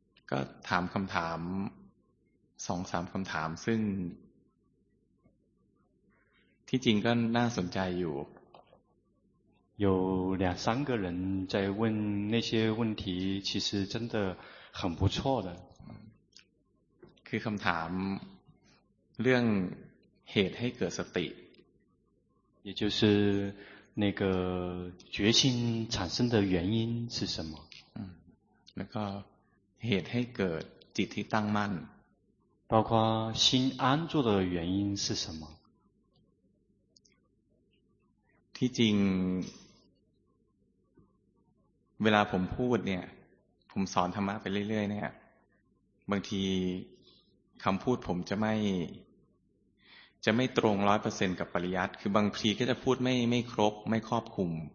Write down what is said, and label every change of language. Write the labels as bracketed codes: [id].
[th] ก็ถามคำถามสองสามคำถามซึ่งที่จริงก็น่าสนใจอยู่ [zh] 有两三个人在问那些问题其实真的很不错的 [th] คือคำถามเรื่องเหตุให้เกิดสติ [zh] 也就是那个决心产生的原因是什么 [th] แล้วก็เหตุให้เกิดจิตที่ตั้งมั่น [zh] 包括心安住的原因是什么 [th] ที่จริงเวลาผมพูดเนี่ยผมสอนธรรมะไปเรื่อยๆเนี่ยบางทีคำพูดผมจะไม่ตรง 100% กับปริยัติคือบางทีก็จะพูดไม่ครบไม่ครอบคลุม